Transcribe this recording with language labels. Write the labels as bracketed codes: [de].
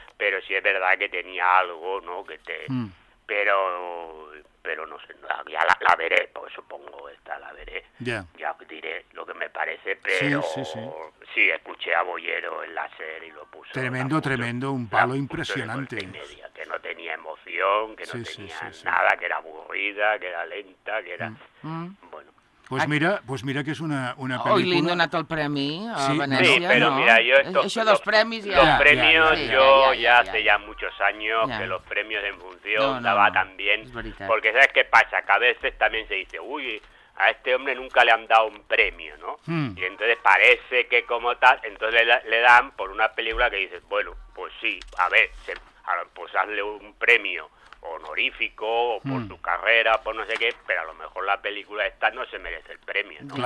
[es] Pero sí es verdad que tenía algo, ¿no? Que te... Mm. Pero no sé, ya la veré, pues supongo esta la veré. Yeah. Ya diré lo que me parece, pero... Sí, sí, sí. Sí, escuché a Boyero en la serie y lo puse... Tremendo, tremendo, un palo impresionante. Media, que no tenía emoción, que no tenía nada, que era aburrida, que era lenta, que era... Bueno. [ca] Pues mira, que és una pel·lícula... Oh, i li han donat el premi a Venècia, sí, però no? Mira, jo... Esto, això dels premis... [es] Ja, los premios, yo ya hace ya muchos años que los premios en función daba también... [ca] Es veritat. [es] Porque ¿sabes qué pasa? Que a veces también se dice, uy, a este hombre nunca le han dado un premio, ¿no? Hmm. Y entonces parece que como tal... Entonces le dan por una película que dices, bueno, pues sí, a ver, pues hazle un premio honorífico, o por tu carrera, por no sé qué, pero a lo mejor la película esta no se merece el premio, ¿no?